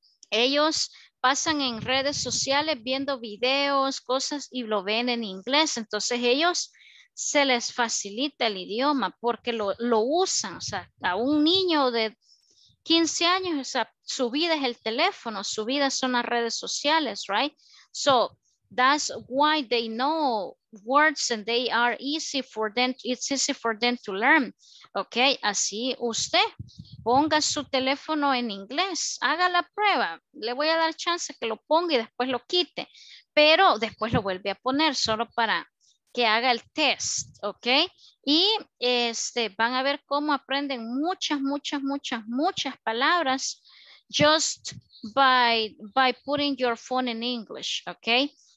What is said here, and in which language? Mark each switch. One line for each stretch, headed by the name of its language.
Spanish: Ellos pasan en redes sociales viendo videos, cosas y lo ven en inglés. Entonces ellos se les facilita el idioma porque lo usan, o sea, a un niño de 15 años, o sea, su vida es el teléfono, su vida son las redes sociales, right?
English: So, that's why they know words and they are easy for them, it's easy for them to learn, ok?
Spanish: Así usted ponga su teléfono en inglés, haga la prueba, le voy a dar chance que lo ponga y después lo quite, pero después lo vuelve a poner solo para que haga el test, ¿ok? Y van a ver cómo aprenden muchas, muchas, muchas, muchas palabras
English: just by putting your phone in English,
Spanish: ¿ok?